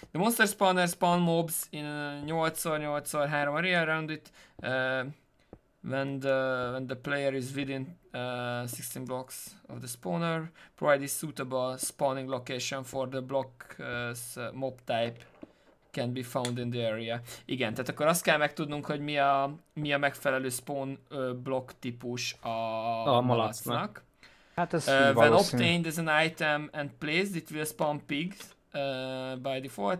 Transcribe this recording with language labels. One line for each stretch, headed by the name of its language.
English: The monster spawner spawn mobs in 8x8x3 area around it. When the player is within 16 blocks of the spawner, provide a suitable spawning location for the block's mob type. Can be found in the area.
Hungarian: Igen, tehát akkor azt kell megtudnunk, hogy mi a megfelelő spawn block típus a malacnak. Hát ez
English: when obtained as an item and placed, it will spawn pigs by default.